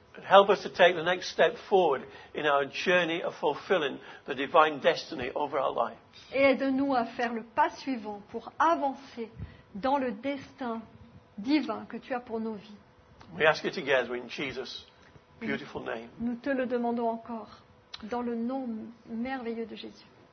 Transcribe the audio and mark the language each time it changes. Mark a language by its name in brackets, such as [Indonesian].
[English] And help us to take the next step forward in our journey of fulfilling the divine destiny over our lives. [French] Et aide-nous à faire le pas suivant pour avancer dans le destin divin que tu as pour nos vies. [English] We ask it together in Jesus' beautiful name. [French] Nous te le demandons encore dans le nom merveilleux de Jésus.